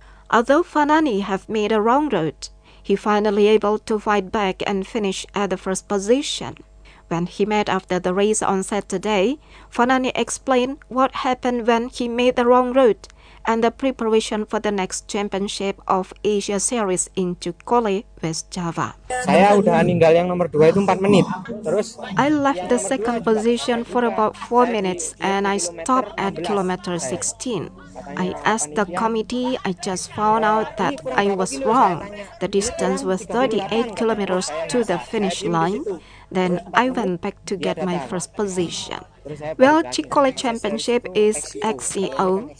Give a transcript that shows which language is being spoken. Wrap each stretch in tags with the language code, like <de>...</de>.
<en>Although Fanani have made a wrong route, he finally able to fight back and finish at the first position. When he met after the race on Saturday, Fanani explained what happened when he made the wrong route and the preparation for the next championship of Asia Series in Cikole, West Java.</en> <id>Saya udah ninggal yang nomor 2 itu 4 menit. Terus</id> <en>I left the second position for about 4 minutes and I stopped at kilometer 16. I asked the committee, I just found out that I was wrong. The distance was 38 kilometers to the finish line. Then I went back to get my first position. Well, Cikole Championship is XCO.</en>